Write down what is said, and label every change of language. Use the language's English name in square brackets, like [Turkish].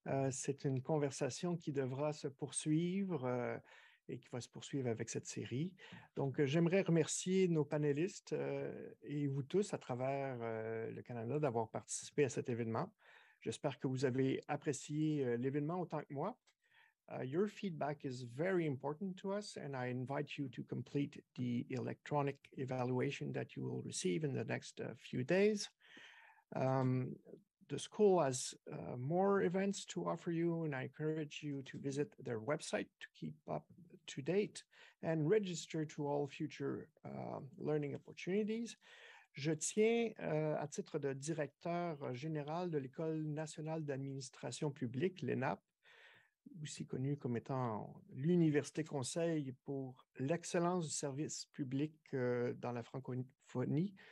[French] C'est une conversation qui devra se poursuivre et qui va se poursuivre avec cette série. Donc, j'aimerais remercier nos panélistes et vous tous à travers le Canada d'avoir participé à cet événement. J'espère que vous avez apprécié l'événement autant que moi. [English] Your feedback is very important to us, and I invite you to complete the electronic evaluation that you will receive in the next few days. The school has more events to offer you, and I encourage you to visit their website to keep up to date and register to all future learning opportunities. [French] Je tiens, à titre de directeur général de l'École nationale d'administration publique, l'ENAP, aussi connue comme étant l'Université Conseil pour l'excellence du service public dans la francophonie.